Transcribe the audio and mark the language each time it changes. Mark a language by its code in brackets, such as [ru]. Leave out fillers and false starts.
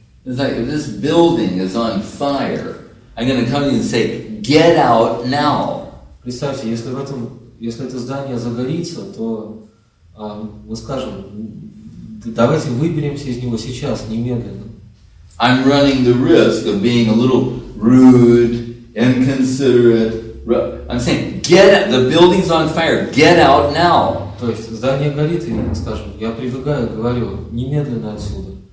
[en] It's like, if this building is on fire, I'm going to come to you and say, get out now. [ru] Представьте, если это здание загорится, то мы скажем, давайте выберемся из него сейчас, немедленно. [en] I'm running the risk of being a little rude, inconsiderate. I'm saying, get out, the building's on fire, get out now. [ru] То есть здание горит, и, скажем, я прибегаю, говорю, немедленно отсюда.